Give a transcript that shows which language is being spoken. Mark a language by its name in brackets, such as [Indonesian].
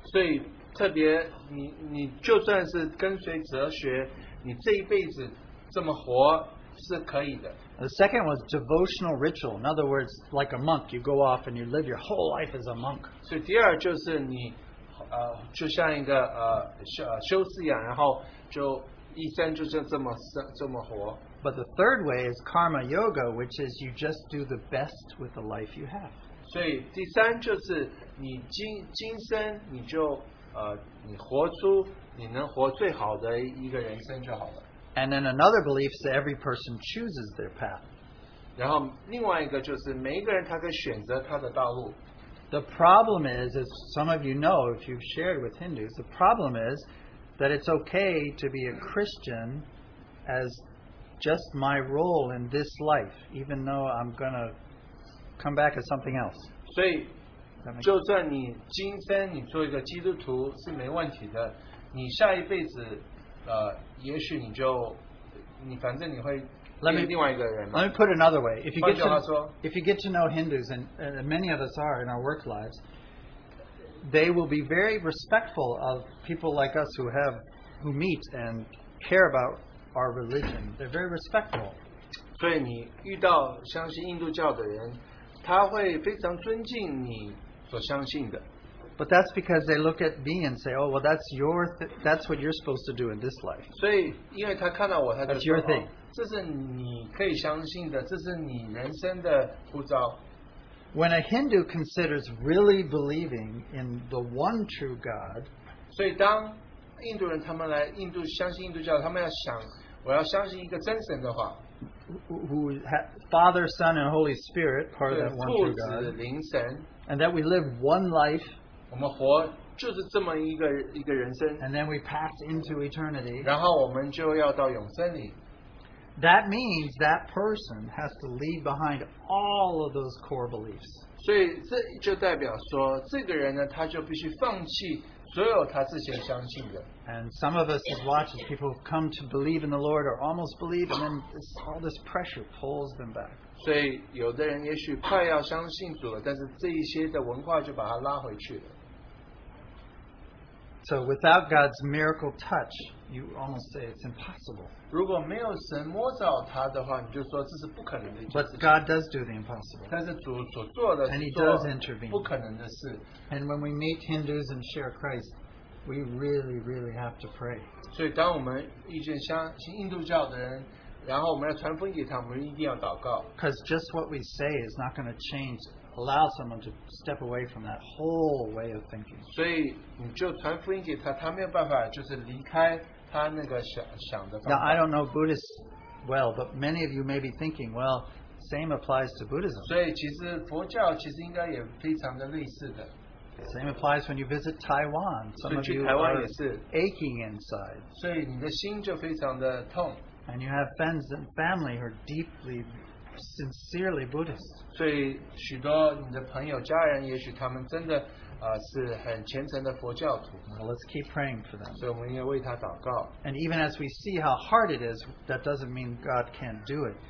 [Chinese] 所以特别 你就算是跟随哲学你这一辈子这么活是可以的。 [English] The second was devotional ritual. In other words, like a monk, you go off and you live your whole life as a monk. [Chinese] 所以第二就是你，就像一个修士一样，然后就一生就是这么活。 [English] But the third way is karma yoga, which is you just do the best with the life you have. [Chinese] 所以第三就是你今生你就你活出你能活最好的一个人生就好了。 [English] And then another belief is that every person chooses their path. [Chinese] 然后另外一个就是每一个人他可以选择他的道路。 [English] The problem is, as some of you know, if you've shared with Hindus, the problem is that it's okay to be a Christian as just my role in this life, even though I'm going to come back as something else. [Chinese] 所以就算你今生你做一个基督徒是没问题的，你下一辈子也许你就你反正你会变另外一个人嘛。 [English] Let me put another way. If you get to [Chinese] 换句话说, [English] if you get to know Hindus and many of us are in our work lives, they will be very respectful of people like us who meet and care about our religion. They're very respectful. [Chinese] 所以你遇到相信印度教的人，他会非常尊敬你所相信的。 [English] But that's because they look at me and say, oh, well, that's what you're supposed to do in this life. [Chinese] 所以因为他看到我, 他就说, [English] that's your thing. [Chinese] 这是你可以相信的, 这是你人生的护照。 [English] When a Hindu considers really believing in the one true God, [Chinese] 所以当印度人他们来印度相信印度教他们要想我要相信一个真神的话, [English] who Father, Son, and Holy Spirit, part of that one true God, [Chinese] 父子灵神, [English] and that we live one life, [Chinese] 我们活就是这么一个人生 [English] and then we pass into eternity, [Chinese] 然后我们就要到永生里 [English] that means that person has to leave behind all of those core beliefs [Chinese] 所以这就代表说这个人呢他就必须放弃所有他之前相信的 [English] and some of us have watched people come to believe in the Lord or almost believe and then all this pressure pulls them back [Chinese] 所以有的人也许快要相信主了但是这一些的文化就把他拉回去了 [English] So without God's miracle touch, you almost say it's impossible. [Chinese] 如果没有神摸着他的话，你就说这是不可能的。 [English] But God does do the impossible. [Chinese] 但是主所做的 [English] ，and He does intervene. [Chinese] 不可能的事。 [English] And when we meet Hindus and share Christ, we really, really have to pray. [Chinese] 所以当我们遇见相信印度教的人，然后我们要传福音给他，我们一定要祷告。 [English] Because just what we say is not going to change. Allow someone to step away from that whole way of thinking. [Chinese] 所以你就传福音给他，他没有办法就是离开他那个想的方法。 [English] Now I don't know Buddhists well, but many of you may be thinking, well, same applies to Buddhism. [Chinese] 所以其实佛教其实应该也非常的类似的。 [English] Same applies when you visit Taiwan. Some of you are aching inside. [Chinese] 所以你的心就非常的痛。 [English] And you have friends and family who are deeply sincerely Buddhist. [Chinese] 所以许多你的朋友家人也许他们真的是很虔诚的佛教徒。 [English] Well, let's keep praying for them. [Chinese] 所以我们要为他祷告。 [English] And even as we see how hard it is, that doesn't mean God can't do it.